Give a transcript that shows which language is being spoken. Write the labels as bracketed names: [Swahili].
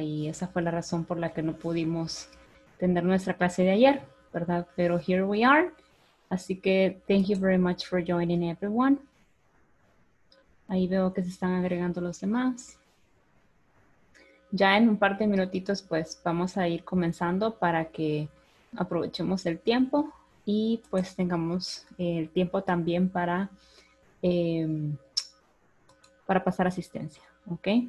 [Spanish] Y esa fue la razón por la que no pudimos tener nuestra clase de ayer, ¿verdad? Pero [English] here we are. [Spanish] Así que [English] thank you very much for joining, everyone. [Spanish] Ahí veo que se están agregando los demás. Ya en un par de minutitos, pues, vamos a ir comenzando para que aprovechemos el tiempo y pues tengamos el tiempo también para pasar asistencia, ¿ok?